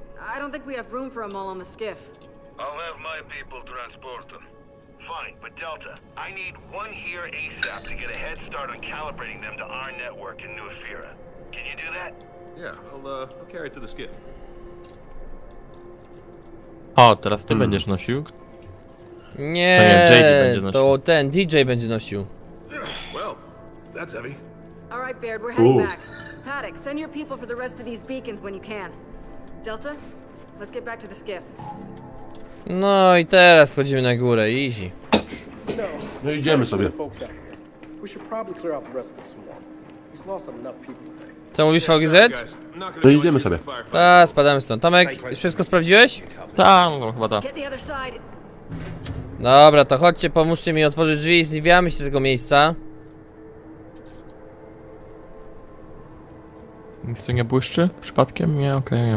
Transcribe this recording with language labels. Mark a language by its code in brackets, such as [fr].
[en] I don't think we have room for them all on the skiff. I'll have my people transport them. Fine, but Delta, I need one here ASAP to get a head start on calibrating them to our network in New Ephira. Can you do that? Yeah, I'll carry it to the skiff. [pl] O, teraz ty będziesz nosił? Nie, to ten DJ będzie nosił. [en] Well, that's heavy. All right, Baird, we're heading back. Paddock, send your people for the rest of these beacons when you can. Delta, let's get back to the skiff. [pl] No i teraz wchodzimy na górę, easy. No idziemy sobie. [en] We should probably clear out the rest of the swarm. He's lost enough people today. [pl] Co mówisz, VGZ? No idziemy sobie. Ta, spadamy stąd. Tomek, wszystko sprawdziłeś? Tak, no, chyba tak. Dobra, to chodźcie, pomóżcie mi otworzyć drzwi i zniwiamy się z tego miejsca. Nic tu nie błyszczy? Przypadkiem? Nie, okej, okay.